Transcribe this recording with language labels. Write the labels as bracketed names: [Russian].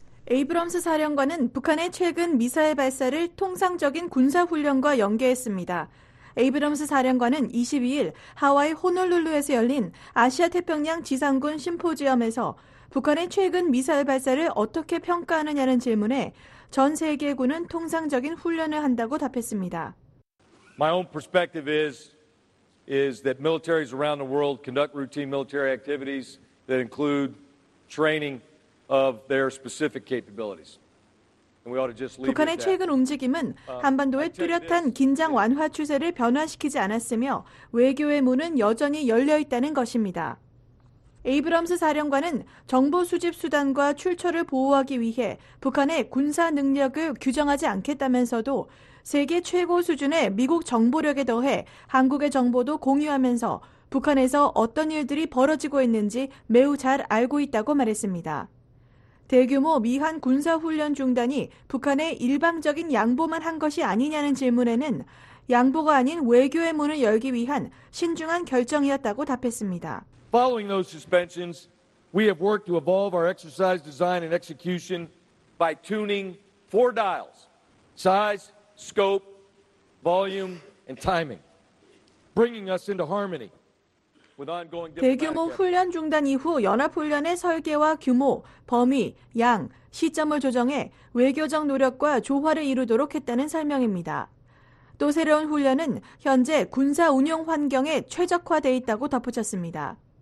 [Korean] 에이브람스 사령관은 북한의 최근 미사일 발사를 통상적인 군사훈련과 연계했습니다. 에이브람스 사령관은 22일 하와이 호놀룰루에서 열린 아시아태평양 지상군 심포지엄에서 북한의 최근 미사일 발사를 어떻게 평가하느냐는 질문에 전 세계 군은 통상적인 훈련을 한다고 답했습니다. [English] My own perspective is that militaries around the world conduct routine military activities that include training of their specific capabilities. [Korean] 북한의 최근 움직임은 한반도의 뚜렷한 긴장 완화 추세를 변화시키지 않았으며 외교의 문은 여전히 열려 있다는 것입니다. 에이브럼스 사령관은 정보 수집 수단과 출처를 보호하기 위해 북한의 군사 능력을 규정하지 않겠다면서도 세계 최고 수준의 미국 정보력에 더해 한국의 정보도 공유하면서 북한에서 어떤 일들이 벌어지고 있는지 매우 잘 알고 있다고 말했습니다. 대규모 미한 군사훈련 중단이 북한의 일방적인 양보만 한 것이 아니냐는 질문에는 양보가 아닌 외교의 문을 열기 위한 신중한 결정이었다고 답했습니다. [English] Following those suspensions, we have worked to evolve our exercise design and execution by tuning four dials: size, scope, volume, and timing, bringing us into harmony. [Korean] 대규모 훈련 중단 이후 연합훈련의 설계와 규모, 범위, 양, 시점을 조정해 외교적 노력과 조화를 이루도록 했다는 설명입니다. 또 새로운 훈련은 현재 군사 운용 환경에 최적화되어 있다고 덧붙였습니다.